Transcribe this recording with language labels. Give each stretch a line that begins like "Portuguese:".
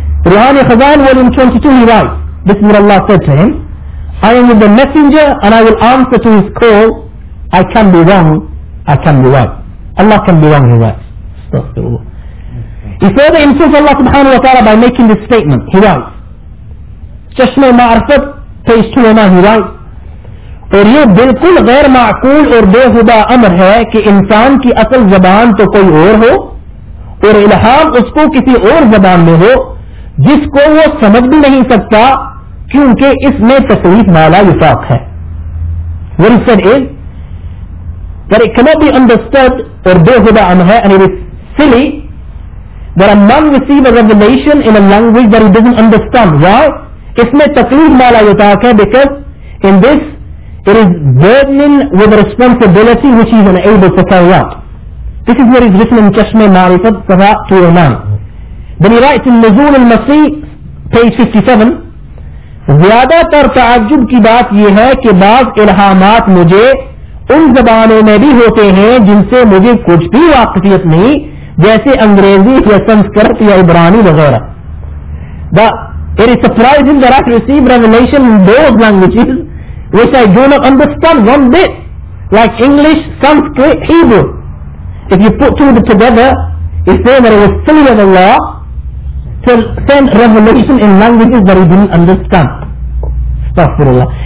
English: Ruhani Khazan, volume 22, he writes, this is what Allah said to him, "I am with the messenger and I will answer to his call. I can be wrong, I can be right." Allah can be wrong, he writes. He further insults Allah subhanahu wa ta'ala by making this statement. He writes, Chashma Ma'arfat, page 209, he writes,
Urdu: "اور یہ بالکل غیر معقول اور بے خدا امر ہے کہ انسان کی اصل زبان تو کوئی اور ہو اور الہام اس کو کسی اور زبان میں ہو جس کو وہ سمجھ بھی نہیں سکتا کیونکہ اس میں تصویف مالا وفاق ہے."
English: What he said is that it cannot be understood
Urdu: اور بے خدا امر ہے,
English: and it is silly that a man receive a revelation in a language that he doesn't understand. Why?
Urdu: اس میں تصویف مالا وفاق ہے,
English: because in this it is burdening with a responsibility which he is unable to carry out. This is what is written in Chashm-e-Ma'rifat, Safa 209. Then he writes in Nuzul al-Masih,
Urdu: page 57 زیادہ تر تعجب کی بات یہ ہے کہ بعض الہامات مجھے ان زبانوں میں بھی ہوتے ہیں جن سے مجھے کچھ بھی واقفیت نہیں, جیسے انگریزی یا سنسکرت یا عبرانی وغیرہ.
English: It is surprising that I receive revelation in those languages which I do not understand one bit, like English, Sanskrit, Hebrew. If you put two of them together, you say that it was silly of Allah to send revelation in languages that he didn't understand. Astaghfirullah.